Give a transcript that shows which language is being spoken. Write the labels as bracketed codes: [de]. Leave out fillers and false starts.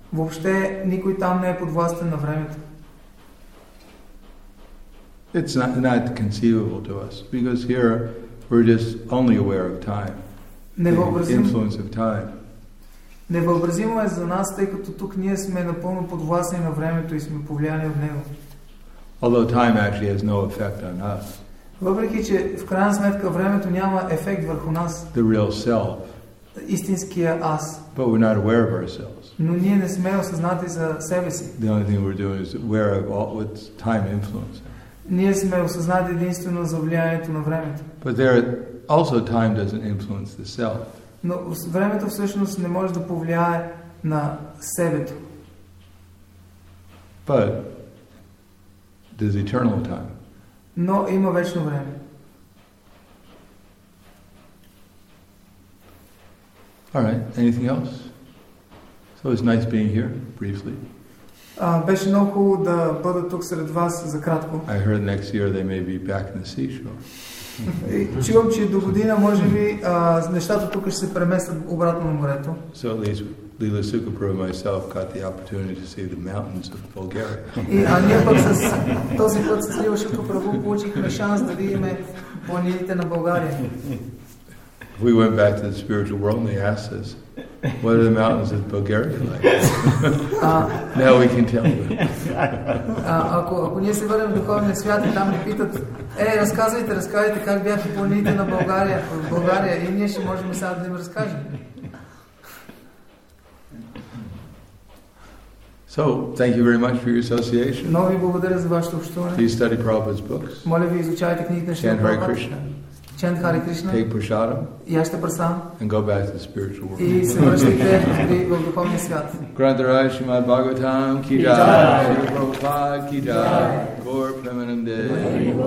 [bg] Въобще никой там не е подвластен на времето. [en] It's not conceivable to us because here we're just only aware of time. The influence of time. [bg] Невъобразимо е за нас, тъй като тук ние сме напълно подвластни на времето и сме повлияни от него. [en] Although time actually has no effect on us. [bg] Въпреки че в крайна сметка времето няма ефект върху нас. [en] The real self. [bg] Истинския аз. [en] But we're not aware of ourselves. [bg] Но ние не сме осъзнати за себе си. [en] The only thing we're doing is aware of all what's time influence. [bg] Ние сме осъзнати единствено за влиянието на времето. [en] But there also time doesn't influence the self. [bg] Но времето всъщност не може да повлияе на себето. [en] But there's eternal time. [bg] Но има вечно време. [en] All right, anything else? So it's nice being here, briefly. [bg] Беше много хубаво да бъда тук сред вас за кратко. [en] I heard next year they may be back in the seashore. [bg] Чувам, че до година може би нещата тук ще се преместят обратно на морето. [en] So at least Lila Sukhaprabhu and myself got the opportunity to see the mountains of Bulgaria. [bg] А ние пък с този път с Лила Сукхапрабху получихме шанс да видим планините на България. [en] If we went back to the spiritual world and they asked us, what are the mountains of Bulgaria like? Now we can tell them. [bg] Ако ние се върнем в духовния свят и там ни питат, разказвайте как бяха планините на България, в България, и ние ще можем сега да им разкажем. [en] So, thank you very much for your association. [bg] Много ви благодаря за вашето общуване. [en] Please study Prabhupada's books. [bg] Моля ви, изучавайте книгите на Шрила Прабхупада. [en] Chant Hare Krishna. Chant Hare Krishna. Take prasadam. [bg] Яжте прасадам. [en] And go back to the spiritual world. [bg] И се връщайте в духовния свят. [sa] Грандарай Шримад Бхагаватам Ки Джай. Шрила Прабхупада Ки Джай. Гор Премананде.